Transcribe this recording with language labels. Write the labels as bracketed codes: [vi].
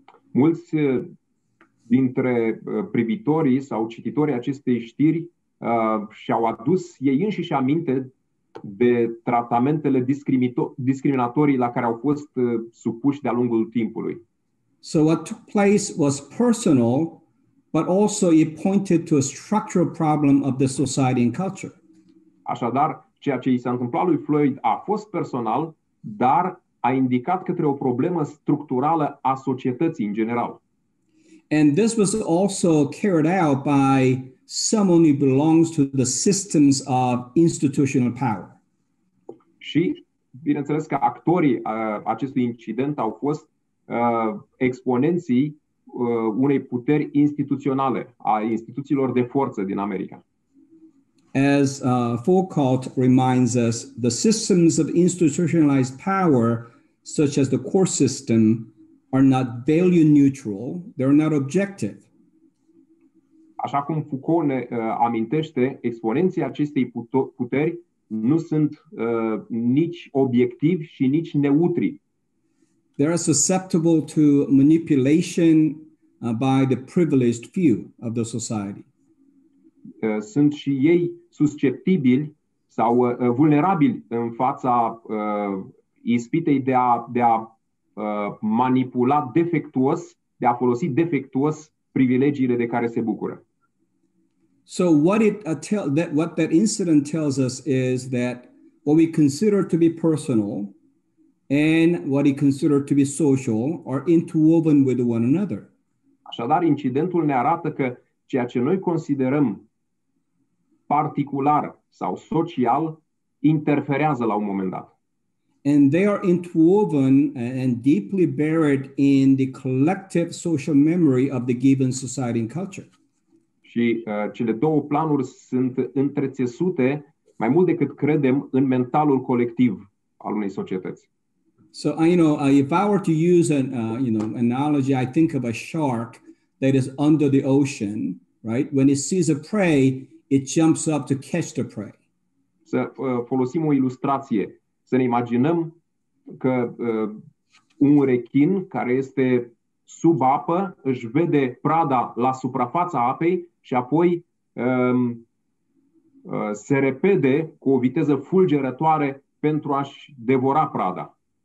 [ro] Mulți dintre privitorii sau cititorii acestei știri și-au adus ei înșiși aminte de tratamentele discriminatorii la care au fost supuși de-a lungul timpului. [en] So what took place was personal, but also it pointed to a structural problem of the society and culture. [ro] Așadar, ceea ce i s-a întâmplat lui Floyd a fost personal, dar a indicat către o problemă structurală a societății în general. [en] And this was also carried out by someone who belongs to the systems of institutional power. [ro] Și, bineînțeles că actorii acestui incident au fost exponenții unei puteri instituționale, a instituțiilor de forță din America. [en] As Foucault reminds us, the systems of institutionalized power, such as the court system, are not value neutral, they're not objective. [ro] Așa cum Foucault ne amintește, exponenții acestei puteri nu sunt nici obiectivi și nici neutri. [en] They are susceptible to manipulation by the privileged few of the society. [ro] Sunt și ei susceptibili sau vulnerabili în fața ispitei de a manipula defectuos, de a folosi defectuos privilegiile de care se bucură. [en] So what that incident tells us is that what we consider to be personal and what we consider to be social are interwoven with one another. [ro] Așadar, incidentul ne arată că ceea ce noi considerăm particular sau social interferează la un moment dat. [en] And they are interwoven and deeply buried in the collective social memory of the given society and culture. [ro] Și cele două planuri sunt întrețesute mai mult decât credem în mentalul colectiv al unei societăți. [en] So if I were to use an analogy, I think of a shark that is under the ocean, right? When it sees a prey, it jumps up to catch the prey. [ro] Să folosim o ilustrație. Să ne imaginăm că un rechin care este sub apă își vede prada la suprafața apei și apoi se repede cu o viteză fulgerătoare pentru a-și devora prada.